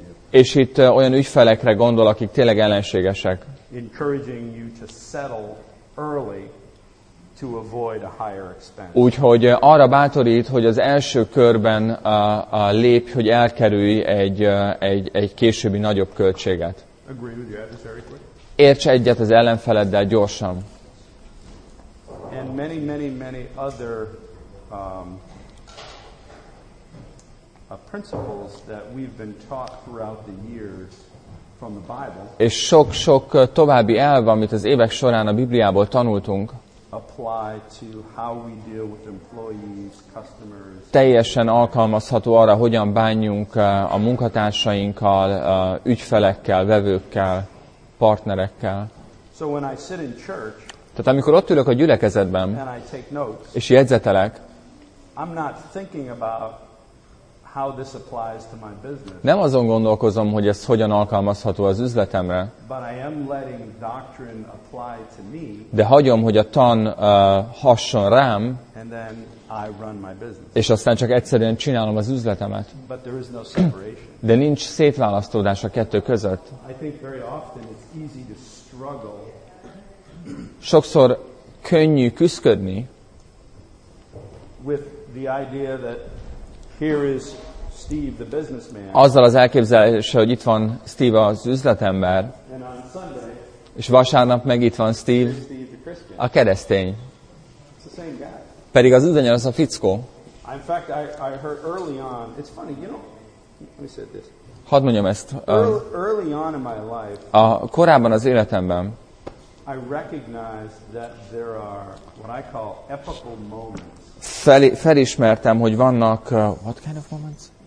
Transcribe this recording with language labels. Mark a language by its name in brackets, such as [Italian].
[Hungarian] És itt olyan ügyfelekre gondol, akik tényleg ellenségesek. [English] encouraging you to settle early to avoid a higher expense. [Hungarian] Úgyhogy arra bátorít, hogy az első körben a lépj, hogy elkerülj egy későbbi nagyobb költséget. [English] Agree with your adversary quickly. [Hungarian] Érts egyet az ellenfeleddel gyorsan. [English] And many, many, many other principles that we've been taught throughout the years from the Bible. [Hungarian] És sok-sok további elv, amit az évek során a Bibliából tanultunk, [English] apply to how we deal with employees, customers. [Hungarian] Teljesen alkalmazható arra, hogyan bánjunk a munkatársainkkal, ügyfelekkel, vevőkkel, partnerekkel. [English] So when I sit in church, [Hungarian] tehát amikor ott ülök a gyülekezetben, [English] and I take notes, [Hungarian] és jegyzetelek, [English] I'm not thinking about how this applies to my business. [Hungarian] Nem azon gondolkozom, hogy ez hogyan alkalmazható az üzletemre, [English] but I am letting doctrine apply to me, [Hungarian] de hagyom, hogy a tan hasson rám, [English] and then I run my business. [Hungarian] És aztán csak egyszerűen csinálom az üzletemet. [English] But there is no separation. [Hungarian] De nincs szétválasztódás a kettő között. [English] I think very often it's easy to struggle. [Hungarian] Sokszor könnyű küszködni [English] with the idea that here is Steve, the businessman. [Hungarian] Azzal az elképzelése, hogy itt van Steve az üzletember, [English] and on Sunday, [Hungarian] és vasárnap meg itt van Steve, [English] Steve the Christian. [Hungarian] A keresztény. [English] It's the same guy. [Hungarian] Pedig az ugyanaz a fickó. [English] In fact, I heard early on, it's funny, you know, let me say this. [Hungarian] Hadd mondjam ezt. [English] Early on in my life, [Hungarian] a korábban az életemben, [English] I recognize that there are what I call epical moments. [Hungarian] Felismertem, hogy vannak [English] what kind of moments?